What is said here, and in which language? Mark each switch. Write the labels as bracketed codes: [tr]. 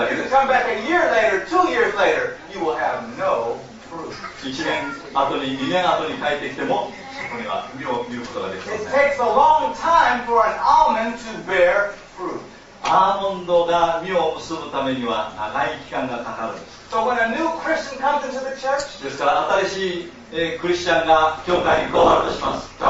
[en] Come back a year later, two years later, you will have no fruit. [ja] 1年後に、2年後に帰ってきても、そこには実を見ることができません。 [en] It takes a long time for an almond to bear fruit. [ja] アーモンドが実を結ぶためには長い期間がかかるんです。 [en] So when a new Christian comes into the church, [ja] ですから新しいクリスチャンが教会に来るとします。